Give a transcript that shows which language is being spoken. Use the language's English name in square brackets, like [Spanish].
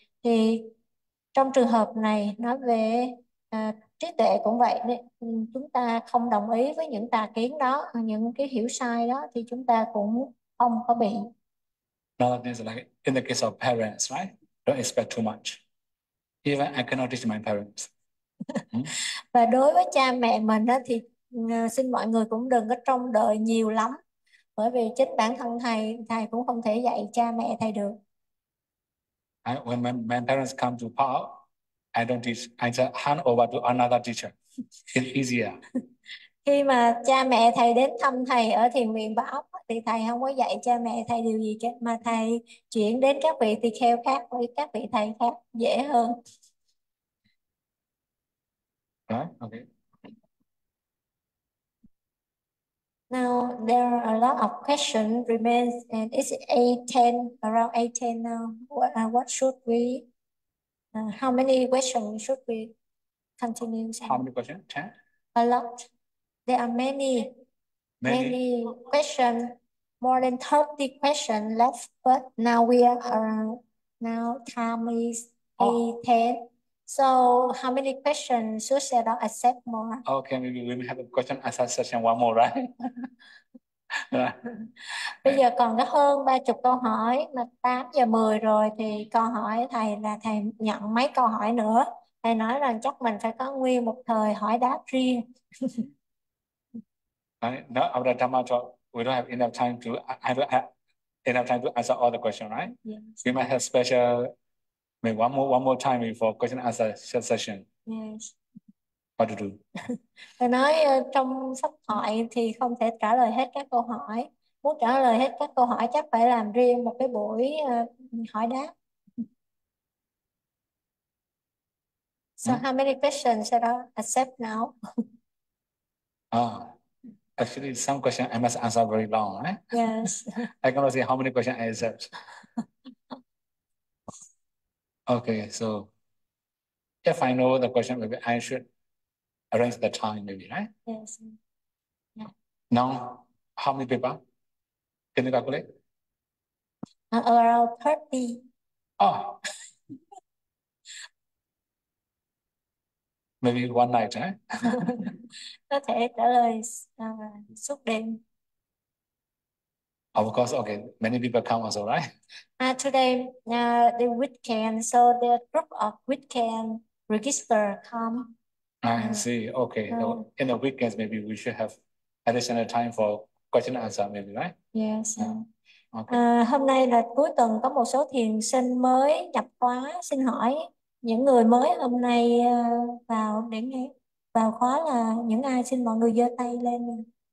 [Vietnamese] Thì trong trường hợp này nói về trí tuệ cũng vậy, chúng ta không đồng ý với những tà kiến đó, những cái hiểu sai đó thì chúng ta cũng không có bị. [English] Nowadays, like in the case of parents, right? Don't expect too much. Even I cannot teach my parents. [Vietnamese] Và đối với cha mẹ mình đó thì xin mọi người cũng đừng có trông đợi nhiều lắm, bởi vì chính bản thân thầy cũng không thể dạy cha mẹ thầy được. [English] Right? When my parents come to park, I don't teach. I just hand over to another teacher. It's easier. [Vietnamese] Khi mà cha mẹ thầy đến thăm thầy ở thiền viện Bảo Ốc thì thầy không có dạy cha mẹ thầy điều gì cả, mà thầy chuyển đến các vị tỳ kheo khác với các vị thầy khác dễ hơn. [English] Okay. Now there are a lot of questions remains and it's 8:10, around 8:10 now. What should we How many questions should we continue How saying? many questions? 10? A lot. There are many, Many. many questions, more than 30 questions left, but now we are around. Now time is 8:10. So how many questions should I accept more? Okay, maybe we may have a question answer session one more, right? Right. [Vietnamese] Bây giờ còn có hơn 30 câu hỏi mà 8 giờ 10 rồi thì câu hỏi thầy là thầy nhận mấy câu hỏi nữa. Thầy nói rằng chắc mình phải có nguyên một thời hỏi đáp riêng. [English] Right. No, I would have done so we don't have enough time to I don't have enough time to answer all the questions, right? Yes. We might have special maybe one more time before question answer session. Yes. What to do? [Vietnamese] Tôi nói trong sách thoại thì không thể trả lời hết các câu hỏi. Muốn trả lời hết các câu hỏi chắc phải làm riêng một cái buổi hỏi đáp. [English] So how many questions should I accept now? Actually, some question I must answer very long, right? Yes. I cannot say how many questions I accept. Okay, so if I know the question, maybe I should arrange the time, maybe, right? Yes. Now, how many people? Can you calculate? Around 30. Oh, maybe one night, right? [Vietnamese] Có thể trả lời suốt đêm. [English] Of course, okay. Many people come also, right? Today, the weekend, so the group of weekend register come. I see. Okay. In the weekends, maybe we should have additional time for question answer, maybe, right? Yes. Okay. [Vietnamese] À, hôm nay là cuối tuần, có một số thiền sinh mới nhập khóa, xin hỏi những người mới hôm nay vào để nghe vào khóa là những ai, xin mọi người giơ tay lên.